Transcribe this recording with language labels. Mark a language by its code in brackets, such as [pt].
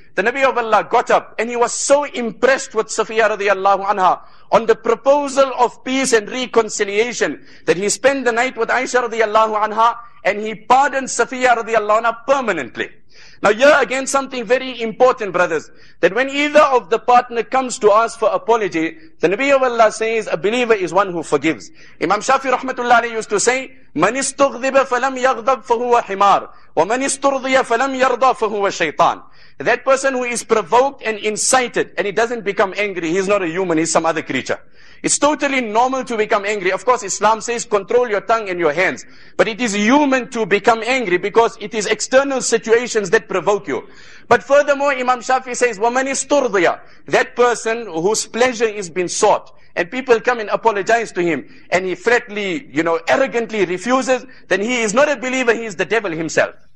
[en] The Nabi of Allah got up and he was so impressed with Safiya radiallahu anha on the proposal of peace and reconciliation that he spent the night with Aisha radiallahu anha and he pardoned Safiya radiallahu anha permanently. Now here again, something very important, brothers, that when either of the partner comes to ask for apology, the Nabi of Allah says, a believer is one who forgives. Imam Shafi rahmatullah alayhi used to say, [ar] مَنِ اسْتُغْذِبَ فَلَمْ يَغْضَبْ فَهُوَ حِمَارِ وَمَنِ اسْتُرْضِيَ فَلَمْ يَرْضَى فَهُوَ شَيْطَانِ. [en] That person who is provoked and incited, and he doesn't become angry, he's not a human, he's some other creature. It's totally normal to become angry. Of course, Islam says control your tongue and your hands. But it is human to become angry because it is external situations that provoke you. But furthermore, Imam Shafi says, [ar] وَمَنْ اسْتُرْضِيَ. [en] That person whose pleasure is being sought, and people come and apologize to him, and he flatly, you know, arrogantly refuses, then he is not a believer, he is the devil himself.